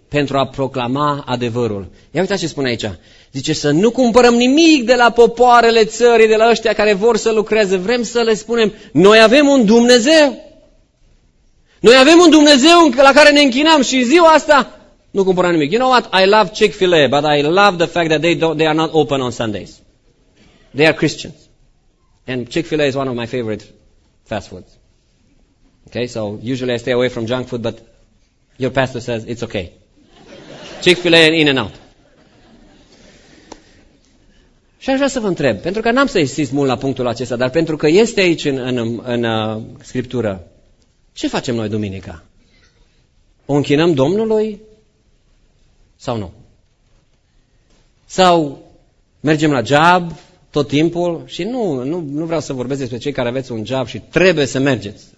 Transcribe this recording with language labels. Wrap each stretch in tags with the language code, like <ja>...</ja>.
<ro>Pentru a proclama adevărul. Ia uitați ce spune aici. Zice să nu cumpărăm nimic de la popoarele țării, de la ăștia care vor să lucreze. Vrem să le spunem, noi avem un Dumnezeu. Noi avem un Dumnezeu la care ne închinăm și ziua asta nu cumpărăm nimic.</ro> <en>You know what? I love Chick-fil-A, but I love the fact that they are not open on Sundays. They are Christians. And Chick-fil-A is one of my favorite fast foods. Okay, so usually I stay away from junk food, but your pastor says it's okay. Chick-fil-A and In-N-Out.</en> <ro>Și aș vrea să vă întreb, pentru că n-am să insist mult la punctul acesta, dar pentru că este aici în Scriptură, ce facem noi duminica? O închinăm Domnului sau nu? Sau mergem la job tot timpul și nu vreau să vorbesc despre cei care aveți un job și trebuie să mergeți.</ro>